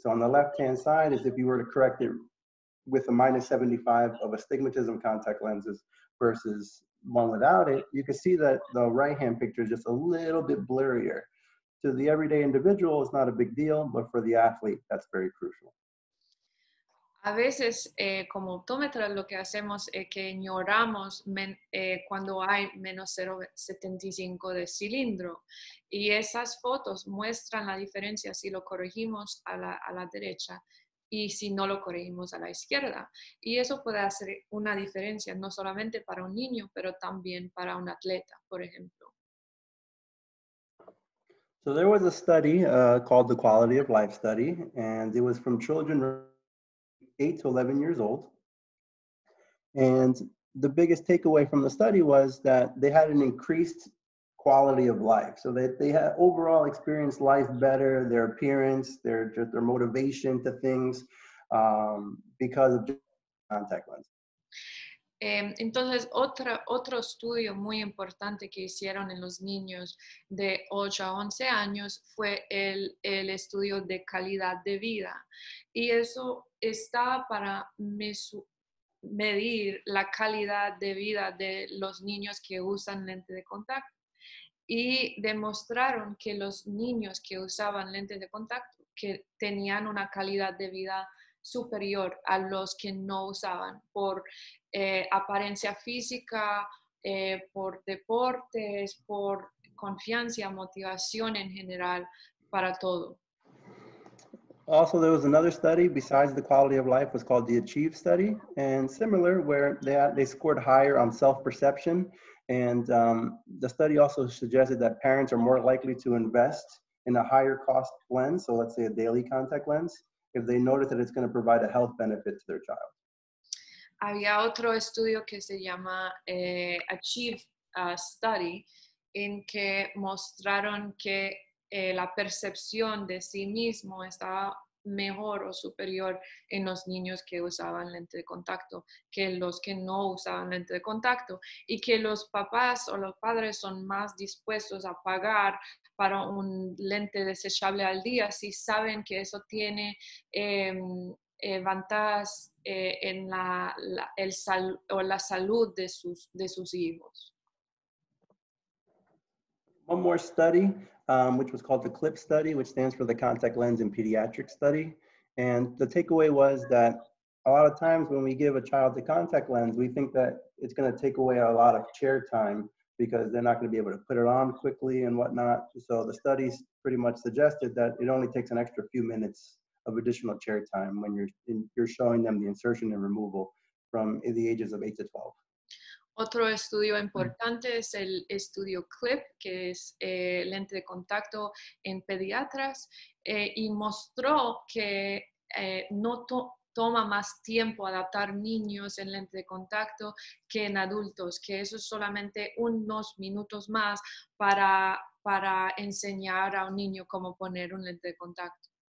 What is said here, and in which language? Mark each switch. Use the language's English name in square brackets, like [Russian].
[English] So on the left-hand side is if you were to correct it with a minus 75 of astigmatism contact lenses versus one without it, you can see that the right-hand picture is just a little bit blurrier. To the everyday individual, it's not a big deal, but for the athlete, that's very crucial. [Spanish] A veces, como optómetra, lo que hacemos es que ignoramos cuando hay menos 0.75 de cilindro. Y esas fotos muestran la diferencia si lo corregimos a la derecha y si no lo corregimos a la izquierda. Y eso puede hacer una diferencia, no solamente para un niño, pero también para un atleta, por ejemplo. [English] So there was a study called the Quality of Life Study, and it was from children 8 to 11 years old. And the biggest takeaway from the study was that they had an increased quality of life. So they had overall experienced life better, their appearance, their motivation to things, because of contact lenses. [Spanish] Entonces, otro estudio muy importante que hicieron en los niños de 8 a 11 años fue el estudio de calidad de vida. Y eso estaba para medir la calidad de vida de los niños que usan lentes de contacto. Y demostraron que los niños que usaban lentes de contacto que tenían una calidad de vida superior a los que no usaban por apariencia física, por deportes, por confianza, motivación en general para todo. [English] Also, there was another study besides the quality of life, was called the Achieve study, and similar, where they scored higher on self-perception, and the study also suggested that parents are more likely to invest in a higher cost lens, so let's say a daily contact lens, if they notice that it's going to provide a health benefit to their child. [Spanish] Había otro estudio que se llama Achieve study, en que mostraron que la percepción de sí mismo estaba mejor o superior en los niños que usaban lente de contacto que los que no usaban lente de contacto, y que los papás o los padres son más dispuestos a pagar para un lente desechable al día si saben que eso tiene ventajas en la salud de sus hijos. [English] One more study, which was called the CLIP study, which stands for the Contact Lens in Pediatric Study. And the takeaway was that a lot of times when we give a child the contact lens, we think that it's going to take away a lot of chair time because they're not going to be able to put it on quickly and whatnot. So the studies pretty much suggested that it only takes an extra few minutes of additional chair time when you're showing them the insertion and removal from the ages of 8 to 12. [Spanish] Otro estudio importante es el estudio CLIP, que es lente de contacto en pediatras, y mostró que no toma más tiempo adaptar niños en lente de contacto que en adultos, que eso es solamente unos minutos más para enseñar a un niño cómo poner un lente de contacto.